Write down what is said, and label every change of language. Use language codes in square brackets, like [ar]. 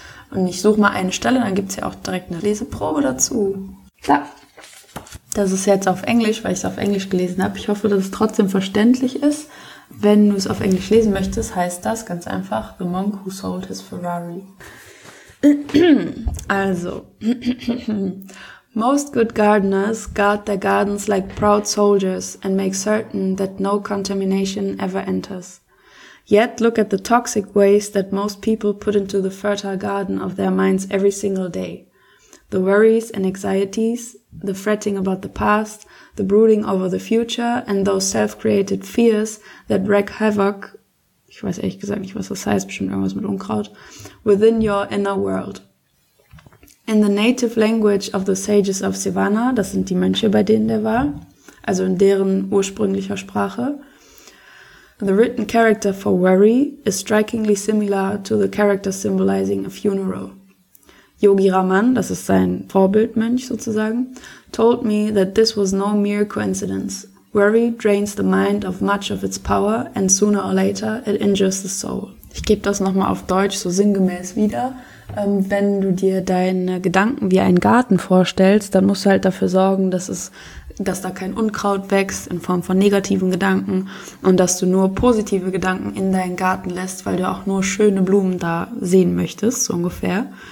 [de] Und ich suche mal eine Stelle, dann gibt's ja auch direkt eine Leseprobe dazu. Da. Das ist jetzt auf Englisch, weil ich es auf Englisch gelesen habe. Ich hoffe, dass es trotzdem verständlich ist. Wenn du es auf Englisch lesen möchtest, heißt das ganz einfach The Monk Who Sold His Ferrari. [en] Also, most good gardeners guard their gardens like proud soldiers and make certain that no contamination ever enters. Yet look at the toxic waste that most people put into the fertile garden of their minds every single day. The worries and anxieties, the fretting about the past, the brooding over the future, and those self-created fears that wreak havoc, [de] ich weiß ehrlich gesagt nicht, was das heißt, bestimmt irgendwas mit Unkraut, [en] within your inner world. In the native language of the sages of Sivana, [de] das sind die Mönche, bei denen der war, also in deren ursprünglicher Sprache, [en] the written character for worry is strikingly similar to the character symbolizing a funeral. Yogi Raman, [de] das ist sein Vorbildmönch sozusagen, [en] told me that this was no mere coincidence. Worry drains the mind of much of its power and sooner or later it injures the soul. [de] Ich gebe das nochmal auf Deutsch so sinngemäß wieder. Wenn du dir deine Gedanken wie einen Garten vorstellst, dann musst du halt dafür sorgen, dass da kein Unkraut wächst in Form von negativen Gedanken und dass du nur positive Gedanken in deinen Garten lässt, weil du auch nur schöne Blumen da sehen möchtest, so ungefähr.